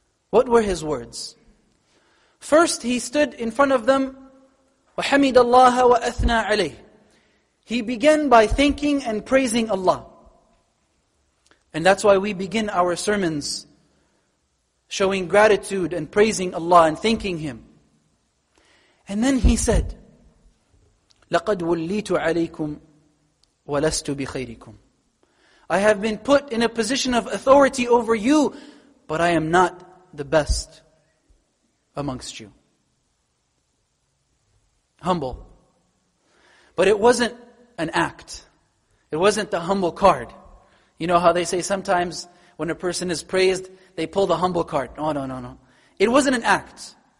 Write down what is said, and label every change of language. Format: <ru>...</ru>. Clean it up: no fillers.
<en>What were his words? First, he stood in front of them,</en> <ar>وَحَمِدَ اللَّهَ وَأَثْنَى عَلَيْهِ.</ar> <en>He began by thanking and praising Allah. And that's why we begin our sermons showing gratitude and praising Allah and thanking Him. And then he said,</en> <ar>لَقَدْ وُلِّيتُ عَلَيْكُمْ وَلَسْتُ بِخَيْرِكُمْ.</ar> <en>I have been put in a position of authority over you, but I am not the best amongst you. Humble. But it wasn't an act. It wasn't the humble card. You know how they say sometimes when a person is praised, they pull the humble card. Oh, no, no, no. It wasn't an act.</en>